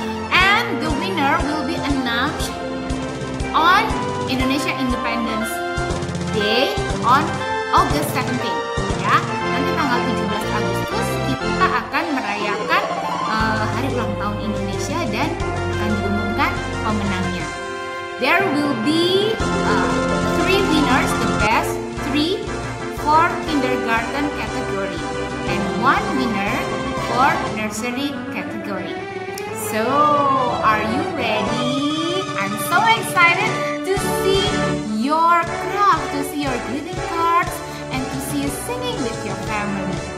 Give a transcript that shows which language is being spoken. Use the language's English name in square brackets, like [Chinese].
[English] And the winner will be announced on Indonesia Independence Day on August 17, ya. [Indonesian] Nanti tanggal 17 Agustus kita akan merayakan hari ulang tahun Indonesia dan akan diumumkan pemenangnya. [English] There will be three winners, the best three for kindergarten category and one winner for nursery category. So, are you ready? I'm so excited to see your craft, to see your greeting cards, and to see you singing with your family.